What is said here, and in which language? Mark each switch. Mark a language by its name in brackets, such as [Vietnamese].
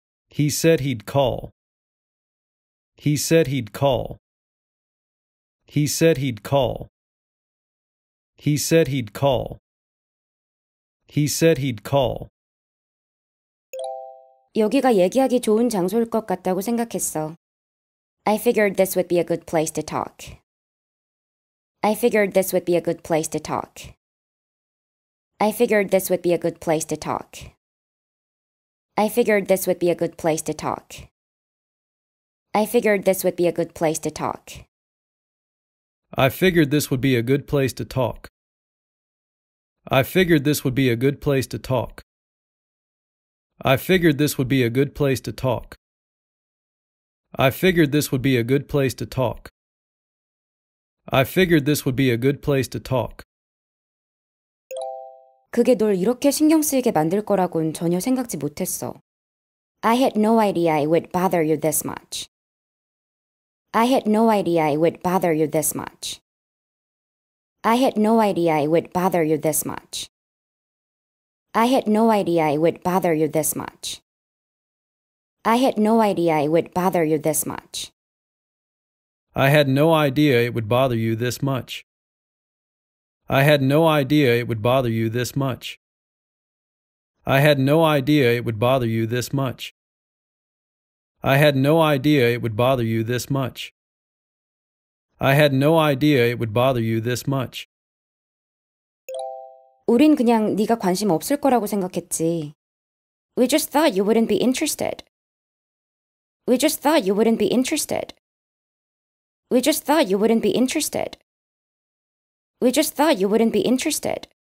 [English] He said he'd call. He said he'd call. He said he'd call. He said he'd call. He said he'd call. [Korean] 여기가 얘기하기 좋은 장소일 것 같다고 생각했어. [English] I figured this would be a good place to talk. I figured this would be a good place to talk. I figured this would be a good place to talk. I figured this would be a good place to talk. I figured this would be a good place to talk. I figured this would be a good place to talk. I figured this would be a good place to talk. I figured this would be a good place to talk. I figured this would be a good place to talk. I figured this would be a good place to talk. [Korean] 그게 널 이렇게 신경 쓰이게 만들 거라고는 전혀 생각지 못했어. [English] I had no idea it would bother you this much. I had no idea it would bother you this much. I had no idea it would bother you this much. I had no idea it would bother you this much. I had no idea it would bother you this much. I had no idea it would bother you this much. I had no idea it would bother you this much. I had no idea it would bother you this much. I had no idea it would bother you this much. I had no idea it would bother you this much. [Korean] 우린 그냥 네가 관심 없을 거라고 생각했지. [English] We just thought you wouldn't be interested. We just thought you wouldn't be interested. We just thought you wouldn't be interested. We just thought you wouldn't be interested.